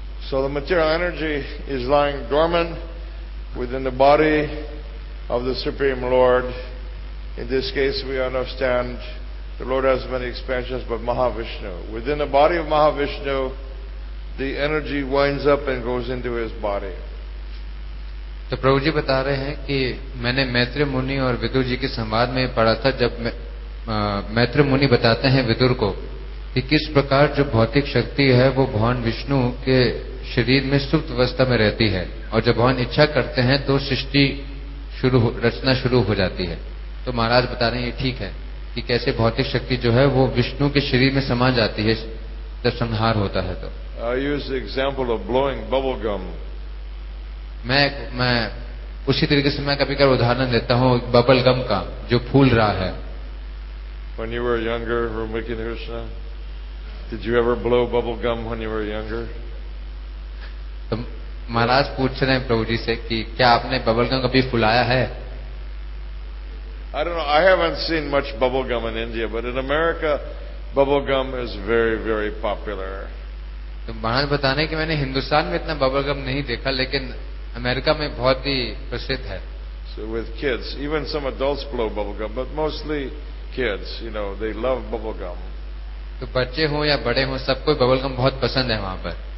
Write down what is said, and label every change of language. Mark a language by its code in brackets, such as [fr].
[en] So the material energy is lying dormant within the body of the Supreme Lord. In this case, we understand the Lord has many expansions, but Mahavishnu. Within the body of Mahavishnu, the energy winds up and goes into his body. [hi] तो प्रभु जी बता रहे हैं कि मैंने मैत्रेय मुनि और विदुर जी के संवाद में पढ़ा था जब मैत्रेय मुनि बताते हैं विदुर को कि किस प्रकार जो भौतिक शक्ति है वो भगवान विष्णु के शरीर में सुप्त अवस्था में रहती है और जब भगवान इच्छा करते हैं तो सृष्टि शुरू रचना शुरू हो जाती है तो महाराज बता रहे हैं ये ठीक है कि कैसे भौतिक शक्ति जो है वो विष्णु के शरीर में समा जाती है जब संहार होता है तो [en] I use the example of blowing bubble gum [hi] मैं उसी तरीके से मैं कभी कभी उदाहरण देता हूँ बबल गम का जो फूल रहा है [en] When you were younger, Rumiki Krishna, did you ever blow bubble gum when you were younger? [hi] Maharaj पूछ रहे हैं प्रभु जी से कि क्या आपने बबल गम कभी फुलाया है? [en] I don't know. I haven't seen much bubble gum in India, but in America, bubble gum is very, very popular. [hi] तो महाराज बताने कि मैंने हिंदुस्तान में इतना बबल गम नहीं देखा, लेकिन अमेरिका में बहुत ही प्रसिद्ध है. [en] So with kids, even some adults blow bubble gum, but mostly. Kids, you know, they love bubble gum. [hi] तो बच्चे हों या बड़े हों सबको बबल गम बहुत पसंद है वहाँ पर.